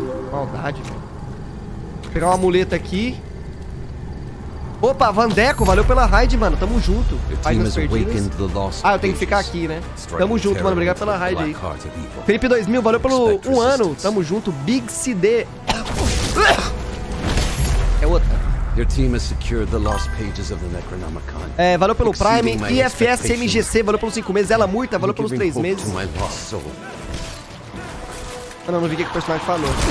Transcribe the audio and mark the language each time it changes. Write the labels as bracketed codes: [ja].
[pt] Maldade, velho. Vou pegar uma muleta aqui. Opa, Vandeco, valeu pela raid, mano. Tamo junto. Páginas perdidas. Ah, eu tenho que ficar aqui, né? Tamo junto, mano. Obrigado pela raid aí. Felipe 2000, valeu pelo um ano. Tamo junto. Big CD. É outra. [en] Your team has secured the lost pages of the Necronomicon. [pt] É, valeu pelo Prime. IFS MGC, valeu pelos 5 meses. Ela multa, valeu pelos 3 meses. Mano, eu não vi o que o personagem falou.